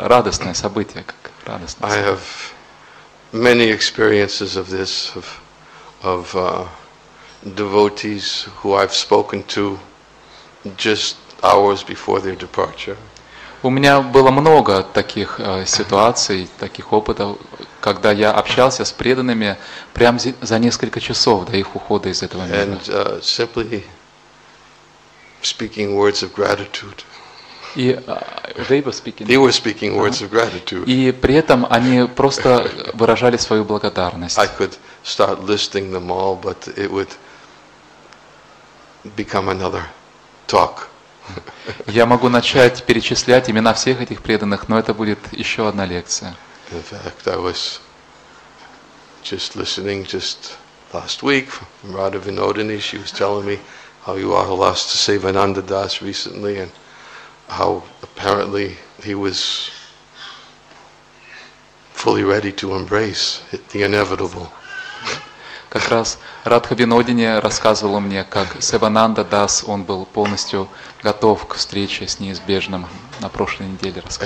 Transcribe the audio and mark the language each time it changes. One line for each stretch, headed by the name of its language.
Russian: Радостное событие, как радостное.
English: I have many experiences of this of devotees who I've spoken to just hours before their departure.
Russian: У меня было много таких ситуаций, таких опытов, когда я общался с преданными прямо за несколько часов до их ухода из этого мира.
English: And simply speaking words of gratitude.
Russian: И
English: they were speaking. They were speaking words of gratitude.
Russian: И при этом они просто выражали свою благодарность.
English: I could start listing them all, but it would become another talk.
Russian: Я могу начать перечислять имена всех этих преданных, но это будет еще одна лекция.
English: In fact, I was just listening just last week from Radha Vinodini. She was telling me how you all lost to Sivananda Das recently and how apparently he was fully ready to embrace the inevitable.
Russian: Как раз Радха Винодини рассказывала мне, как Севананда Дас, он был полностью готов к встрече с неизбежным на прошлой неделе,